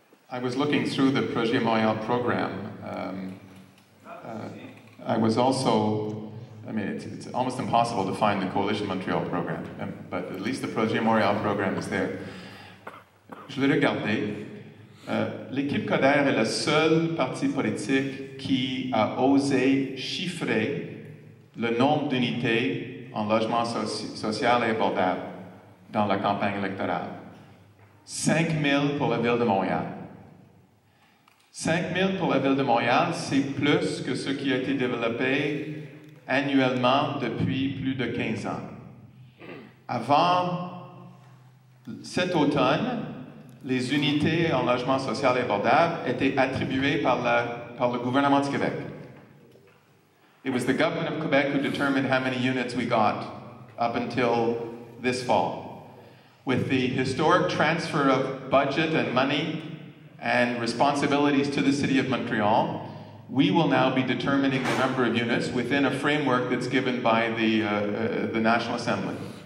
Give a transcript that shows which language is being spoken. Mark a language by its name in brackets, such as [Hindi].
[English] I was looking through the Projet Montréal program. I was also, it's almost impossible to find the Coalition Montréal program, but at least the Projet Montréal program is there. [French] Je l'ai regardé. L'équipe CODER est le seul parti politique qui a osé chiffrer le nombre d'unités en logement social et abordable dans la campagne électorale. 5 000 pour la ville de Montréal. 5 000 pour la ville de Montréal, c'est plus que ce qui a été développé annuellement depuis plus de 15 ans. Avant cet automne, les unités en logement social et abordable étaient attribuées par le gouvernement du Québec. [English] It was the government of Quebec who determined how many units we got up until this fall. With the historic transfer of budget and money and responsibilities to the city of Montreal, we will now be determining the number of units within a framework that's given by the National Assembly.